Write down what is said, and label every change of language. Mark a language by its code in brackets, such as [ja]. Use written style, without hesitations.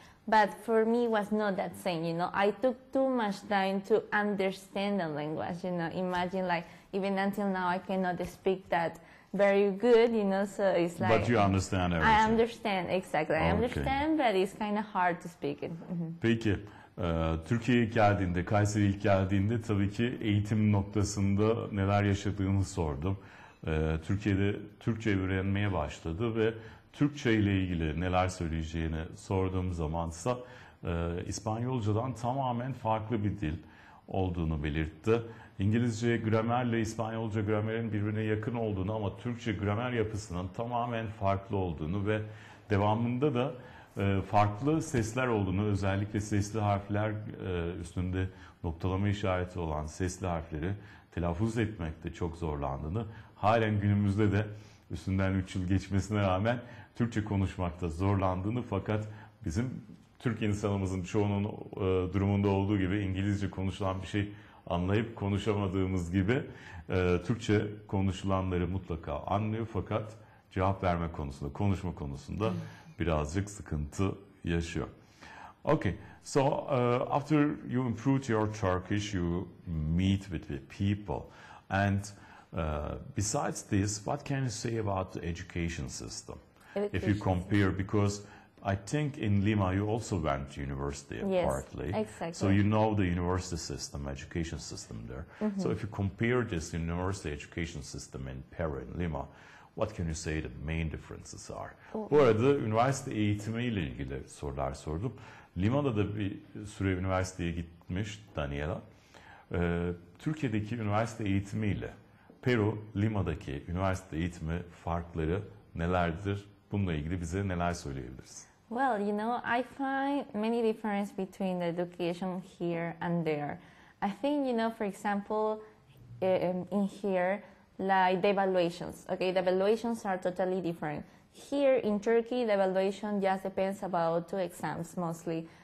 [en] But for me, it was not that same, you know. I took too much time to understand the language, you know. Imagine, like, even until now, I cannot speak that very good, you know. So it's like... But you understand everything. I understand, exactly. Okay. I understand, but it's kind of hard to speak it. [tr] Peki, Türkiye'ye geldiğinde, Kayseri'ye geldiğinde tabii ki eğitim noktasında neler yaşadığını sordum. Türkiye'de Türkçe öğrenmeye başladı ve Türkçe ile ilgili neler söyleyeceğini sorduğum zamansa İspanyolcadan tamamen farklı bir dil olduğunu belirtti. İngilizce gramerle İspanyolca gramerin birbirine yakın olduğunu ama Türkçe gramer yapısının tamamen farklı olduğunu ve devamında da farklı sesler olduğunu, özellikle sesli harfler üstünde noktalama işareti olan sesli harfleri telaffuz etmekte çok zorlandığını, halen günümüzde de üstünden 3 yıl geçmesine rağmen Türkçe konuşmakta zorlandığını, fakat bizim Türk insanımızın çoğunun durumunda olduğu gibi İngilizce konuşulan bir şey anlayıp konuşamadığımız gibi Türkçe konuşulanları mutlaka anlıyor, fakat cevap verme konusunda, konuşma konusunda birazcık sıkıntı yaşıyor. [en] Okay, so after you improved your Turkish, you meet with the people and besides this, what can you say about the education system? Education. If you compare, because I think in Lima you also went to university, yes, partly. Yes, exactly. So you know the university system, education system there. Mm-hmm. So if you compare this university education system in Peru, in Lima, what can you say the main differences are? [tr] Oh. Bu arada üniversite eğitimiyle ilgili sorular sordum. Lima'da da bir süre üniversiteye gitmiş Daniela. Türkiye'deki üniversite eğitimiyle Peru, Lima'daki üniversite eğitimi farkları nelerdir? Bununla ilgili bize neler söyleyebiliriz? [en] Well, you know, I find many differences between the education here and there. I think, you know, for example, in here, like the evaluations, okay? The evaluations are totally different. Here in Turkey, the evaluation just depends about two exams mostly.